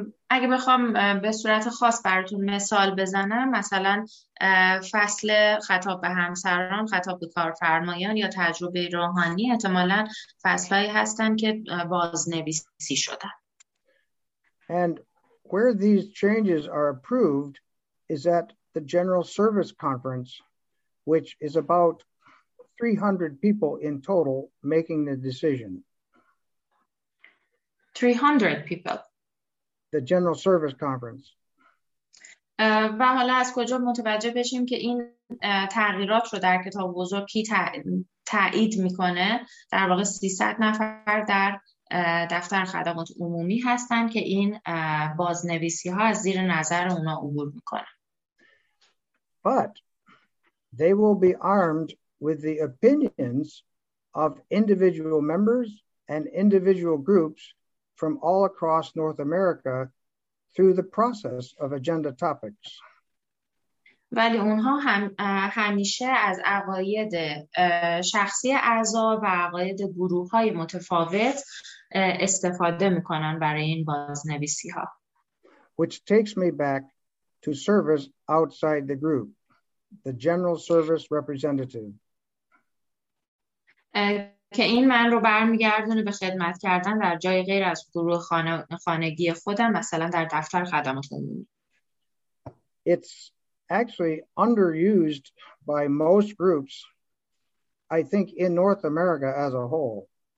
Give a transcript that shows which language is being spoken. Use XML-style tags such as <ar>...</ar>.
<fa>اگه بخوام به صورت خاص براتون مثال بزنم، مثلا فصل خطاب به همسران، خطاب به کارفرمایان یا تجربه روحانی احتمالاً فصلایی هستن که بازنویسی شدن.</fa> <en>And where these changes are approved is at the General Service Conference, which is about 300 people in total making the decision. 300 people. The General Service Conference.</en> <fa>و حالا از کجا متوجه بشیم که این تغییرات رو در کتاب بزرگ کی تایید میکنه؟ در واقع 300 نفر در دفتر خدمات عمومی هستن که این بازنویسی ها از زیر نظر اونا عبور میکنن.</fa> <en>But they will be armed with the opinions of individual members and individual groups from all across North America through the process of agenda topics.</en> <fa>ولی اونها همیشه از عقاید شخصی اعضا و عقاید گروه‌های متفاوت استفاده می‌کنن برای این بازنویسی‌ها.</fa> <en>Which takes me back to service outside the group, the general service representative.</en> <fa>که این من رو برمیگردونه به خدمت کردن در جای غیر از گروه خانگی خودم، مثلا در دفتر خدمات عمومی.</fa> <en>It's actually underused by most groups, I think, in North America as a whole.</en>